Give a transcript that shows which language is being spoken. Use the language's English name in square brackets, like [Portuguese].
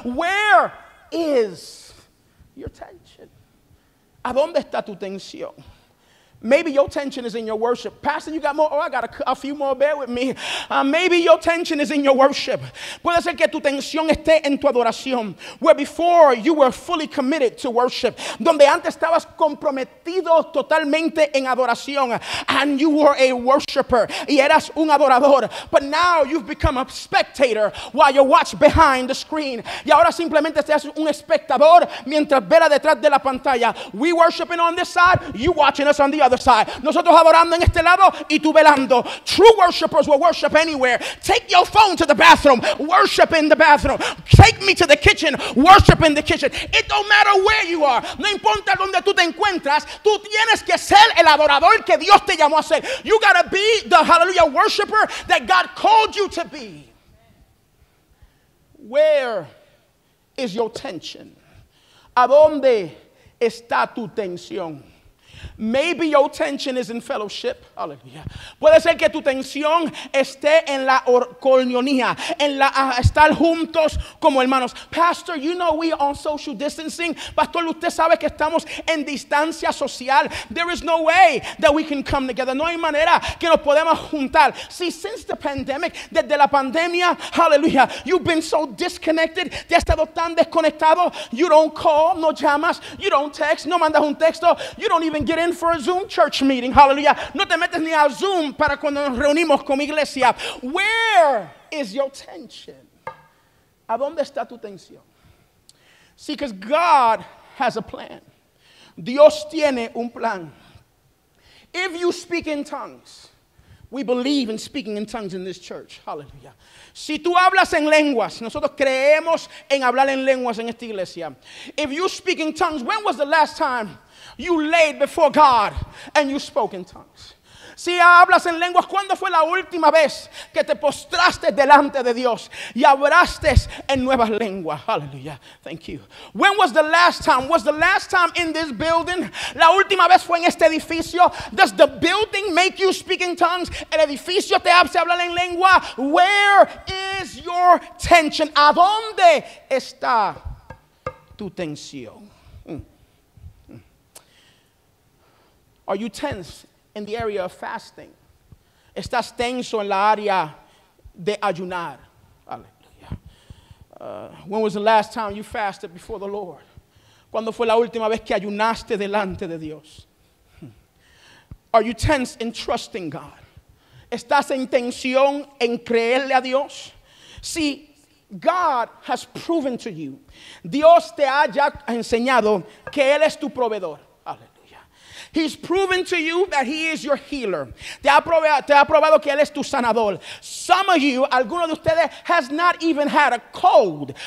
[English] Where is your tension? [Spanish] ¿A dónde está tu tensión? [English] Maybe your tension is in your worship. Pastor, you got more? Oh, I got a few more. Bear with me. Maybe your tension is in your worship. [Spanish] Puede ser que tu tensión esté en tu adoración. [English] Where before you were fully committed to worship. [Spanish] Donde antes estabas comprometido totalmente en adoración. [English] And you were a worshiper. [Spanish] Y eras un adorador. [English] But now you've become a spectator while you watch behind the screen. [Spanish] Y ahora simplemente seas un espectador mientras vela detrás de la pantalla. [English] We worshiping on this side, you watching us on the other side. [Spanish] Nosotros adorando en este lado y tú velando. [English] True worshipers will worship anywhere. Take your phone to the bathroom. Worship in the bathroom. Take me to the kitchen. Worship in the kitchen. It don't matter where you are. [Spanish] No importa donde tú te encuentras. Tú tienes que ser el adorador que Dios te llamó a ser. [English] You gotta be the hallelujah worshiper that God called you to be. Where is your tension? [Spanish] ¿A dónde está tu tensión? [English] Maybe your tension is in fellowship. Hallelujah. [Spanish] Puede ser que tu tensión esté en la comunión, en la estar juntos como hermanos. [English] Pastor, you know we are on social distancing. [Spanish] Pastor, usted sabe que estamos en distancia social. [English] There is no way that we can come together. [Spanish] No hay manera que nos podemos juntar. [English] See, since the pandemic, [Spanish] desde la pandemia, [English] hallelujah, you've been so disconnected. [Spanish] Te has estado tan desconectado. [English] You don't call, [Spanish] no llamas. [English] You don't text, [Spanish] no mandas un texto. [English] You don't even get in for a Zoom church meeting. Hallelujah. [Spanish] No te metes ni a Zoom para cuando nos reunimos como iglesia. [English] Where is your tension? [Spanish] ¿A dónde está tu tensión? [English] See, because God has a plan. [Spanish] Dios tiene un plan. [English] If you speak in tongues, we believe in speaking in tongues in this church. Hallelujah. [Spanish] Si tú hablas en lenguas, nosotros creemos en hablar en lenguas en esta iglesia. [English] If you speak in tongues, when was the last time you laid before God and you spoke in tongues? [Spanish] Si hablas en lenguas, ¿cuándo fue la última vez que te postraste delante de Dios y hablaste en nuevas lenguas? [English] Hallelujah. Thank you. When was the last time? Was the last time in this building? [Spanish] La última vez fue en este edificio. [English] Does the building make you speak in tongues? [Spanish] ¿El edificio te hace hablar en lengua? [English] Where is your tension? [Spanish] ¿A dónde está tu tensión? [English] Are you tense in the area of fasting? [Spanish] ¿Estás tenso en la área de ayunar? [English] Hallelujah. When was the last time you fasted before the Lord? [Spanish] ¿Cuándo fue la última vez que ayunaste delante de Dios? [English] Are you tense in trusting God? [Spanish] ¿Estás en tensión en creerle a Dios? [English] See, God has proven to you. [Spanish] Dios te ha ya enseñado que Él es tu proveedor. [English] He's proven to you that he is your healer. [Spanish] Te ha probado que él es tu sanador. [English] Some of you, [Spanish] alguno de ustedes, [English] has not even had a cold.